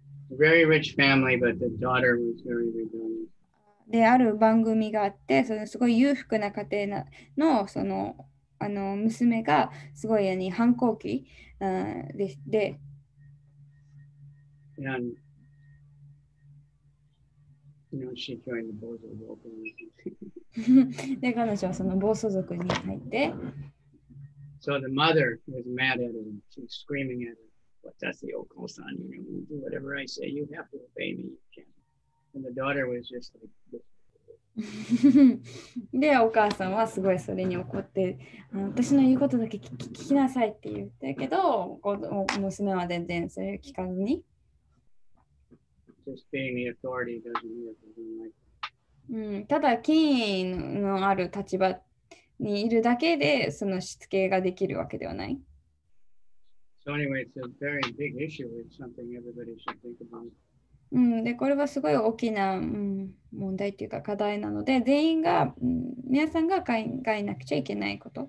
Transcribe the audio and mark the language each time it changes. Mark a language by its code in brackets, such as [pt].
[en] Very rich family, but the daughter was very rebellious. [ja] である番組があって、そのすごい裕福な家庭のその、あの娘がすごい、ね、反抗期、で。 [en] And, you know, she joined the Bozo Vocal. [ja] で、彼女はその暴走族に入って。 [en] So the mother was mad at him. She was screaming at him. But that's the Okosan, you know, do whatever I say, you have to obey me, you can't. And the daughter was just like... [ja] で、お母さんはすごいそれに怒って、私の言うことだけ聞きなさいって言ったけど、娘は全然それを聞かずに。 [en] just being the authority doesn't mean anything like that. [ja] ただ権威のある立場にいるだけでそのしつけができるわけではない。 [en] So anyway, it's a very big issue. It's something everybody should think about. [ja] でこれはすごい大きな、問題というか課題なので、全員が、皆さんが考えなくちゃいけないこと。